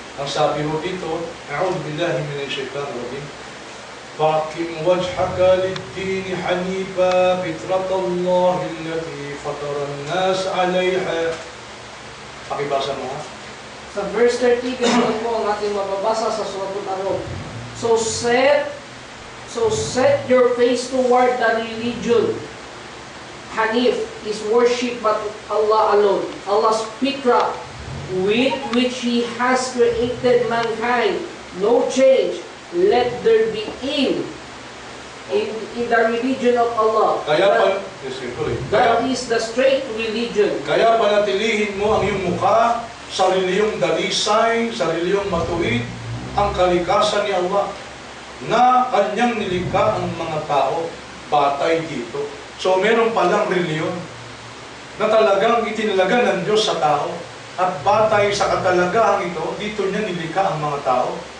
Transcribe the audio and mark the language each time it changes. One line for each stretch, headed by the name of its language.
Filipino: Ang sabi mo dito,
Arabic: A'udhu Billahi Minash Shaitan Rajeem. فَأَقِمْ وَجْهَكَ لِلدِّينِ حَنِيفًا فِطْرَةَ اللَّهِ الَّتِي فَطَرَ النَّاسَ عَلَيْهَا.
Filipino: Pakibasa mo ha? Sa verse 30, ganito po ang ating mababasa sa surat Ar-Rum.
English: So set your face toward the religion. Hanif is worship but Allah alone. Allah's fitra with which He has created mankind. No change. Let there be in the religion of Allah.
Filipino: Kaya pa,
English: that is the straight religion.
Filipino: Kaya panatilihin mo ang iyong mukha, sariliyong dalisay, sariliyong matuwid, ang kalikasan ni Allah, na kanyang nilikha ang mga tao batay dito. So meron palang reliyon na talagang itinalaga ng Diyos sa tao, at batay sa katalagahan ito, dito niya nilikha ang mga tao.